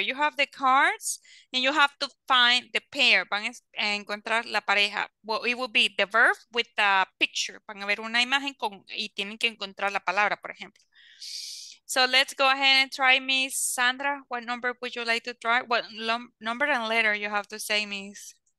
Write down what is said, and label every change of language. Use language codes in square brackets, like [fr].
[en] You have the cards and you have to find the pair. [es] Van a encontrar la pareja. [en] Well, it will be the verb with the picture. [es] Van a ver una imagen con, y tienen que encontrar la palabra, por ejemplo. [en] So let's go ahead and try, Miss Sandra. What number would you like to try? What number and letter you have to say, Miss?